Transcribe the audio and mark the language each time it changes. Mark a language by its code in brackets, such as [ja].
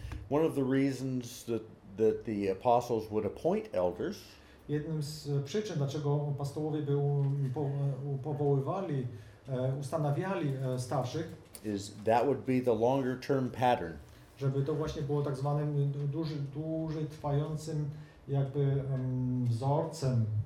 [en] One of the reasons that the apostles would appoint elders. [pl] Jednym z przyczyn, dlaczego pastołowie powoływali, ustanawiali starszych, [en] is that would be the longer term pattern. [pl] Żeby to właśnie było tak zwanym duży trwającym jakby wzorcem.